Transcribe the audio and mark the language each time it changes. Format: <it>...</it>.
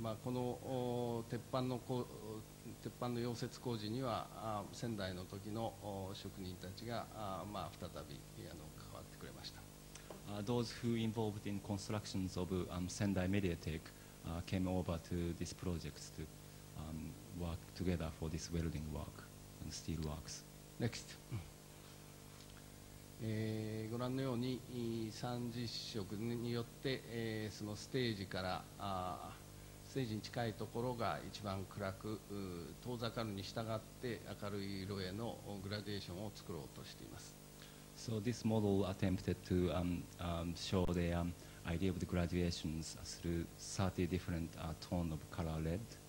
<ja>まあ、この鉄板の溶接工事には仙台の時の職人たちが、まあ、再び関わってくれました。</ja> <en>Those who involved in constructions of Sendai Mediatek came over to this project toWork together for this welding work and steel works. Next.</en> <ja>ご覧のように三次色によって、そのステージに近いところが一番暗く、遠ざかるに従って明るい色へのグラデーションを作ろうとしています。</ja> <en>So this model attempted to show the idea of the graduations through 30 different tones of color red.</en>